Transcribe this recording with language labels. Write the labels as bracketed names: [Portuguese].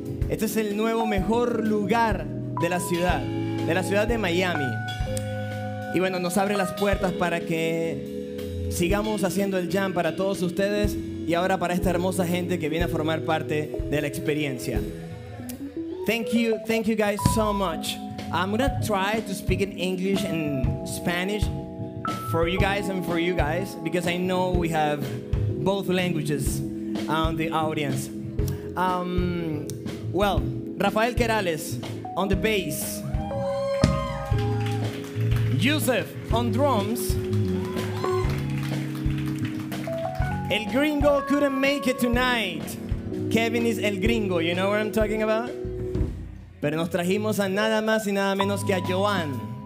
[Spanish] Este es el nuevo mejor lugar de la ciudad de Miami. Y bueno, nos abre las puertas para que sigamos haciendo el Jam para todos ustedes y ahora para esta hermosa gente que viene a formar parte de la experiencia. [English] Thank you guys so much. I'm gonna try to speak in English and Spanish for you guys and for you guys, because I know we have both languages on the audience. Well, Rafael Querales on the bass, Yusef on drums. El Gringo couldn't make it tonight. Kevin is El Gringo, you know what I'm talking about? [Spanish] Pero nos trajimos a nada más y nada menos que a Joan.